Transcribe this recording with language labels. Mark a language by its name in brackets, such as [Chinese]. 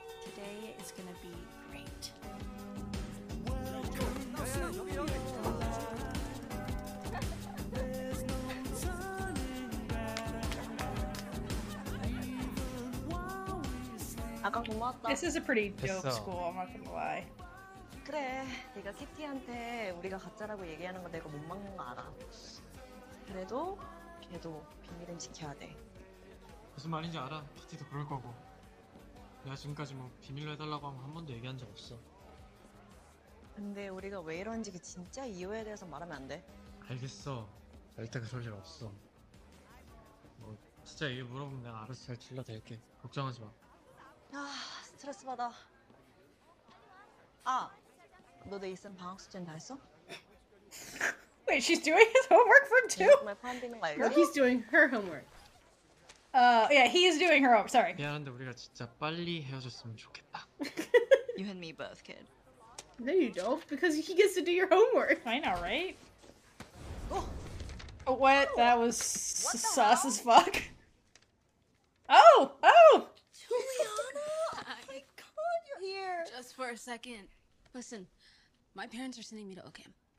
[English] Today is gonna be great. This is a pretty dope school, I'm not gonna lie. [Korean] 그래, 네가 키티한테 우리가 가짜라고 얘기하는 건 내가 못 막는 거 알아. 그래도 걔도 비밀은 지켜야 돼. 무슨 말인지 알아. 키티도 그럴 거고. 내가 지금까지 뭐 비밀로 해달라고 하면 한 번도 얘기한 적 없어. 근데 우리가 왜 이러는지 그 진짜 이유에 대해서 말하면 안 돼. 알겠어. 절대 그럴 일 없어. 뭐 진짜 이유 물어보면 내가 알아서 잘 질러드릴게. 걱정하지 마. 아, 스트레스 받아. 아, 너도 이쌤 방학 숙제는 다 했어? [English] Wait, she's doing his homework from two? Yeah, my plan [Korean] 되는 거 알죠? [English] No, he's doing her homework. Yeah, he is doing her homework, sorry. [Korean] 미안한데 우리가 진짜 빨리 헤어졌으면 좋겠다. [English] You and me both, kid. No, you don't, because he gets to do your homework. I know, right? Oh, what? That was what sus as fuck. Oh, oh! Juliana! Oh my god, you're here! Just for a second. Listen, my parents are sending me to OCAM.